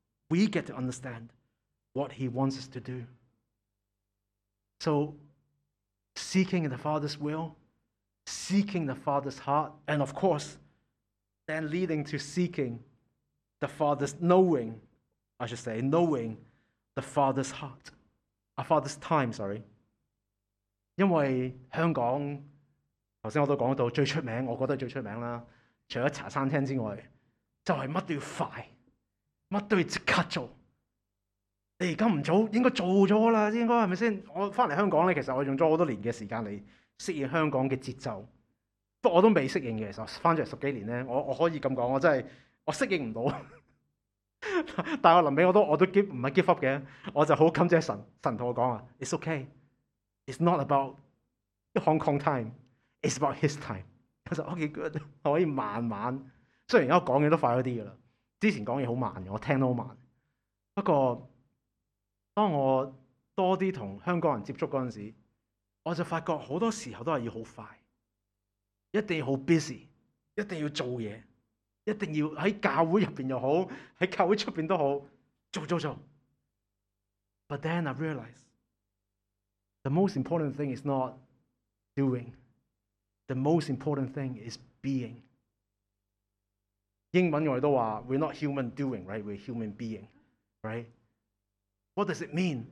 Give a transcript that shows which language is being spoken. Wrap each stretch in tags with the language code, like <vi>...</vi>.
<en>We get to understand what He wants us to do。 So, seeking the Father's will, seeking the Father's heart, and of course, then leading to seeking the Father's knowing, I should say, knowing the Father's heart, a Father's time, sorry.</en> <yue>因为香港，刚才我都讲到最出名，我觉得最出名啦，除了茶餐厅之外，就是乜都要快，乜都要即刻做。你而家唔做，应该做咗啦，应该系咪先？我翻嚟香港咧，其实我用咗好多年嘅时间嚟适应香港嘅节奏，不过我都未适应嘅。其实翻咗嚟十几年咧，我可以咁讲，我真系我适应唔到。但系我临尾我都 give 唔系 give up 嘅，我就好感谢神同我讲啊 ，</yue> <en>It's okay，It's not about Hong Kong time，It's about His time。</en> <yue>其实 OK good， 可以慢慢，虽然而家讲嘢都快咗啲噶啦，之前讲嘢好慢嘅，我听都好慢，不过。当我多啲同香港人接触嗰阵时候，我就发觉好多时候都系要好快，一定要好 busy， 一定要做嘢，一定要喺教会入边又好，喺教会出边都好，做做做。</yue> <en>But then I realize the most important thing is not doing, the most important thing is being。</en> <yue>英文我哋都话</yue> <en>we're not human doing, right? We're human being, right? What does it mean?</en>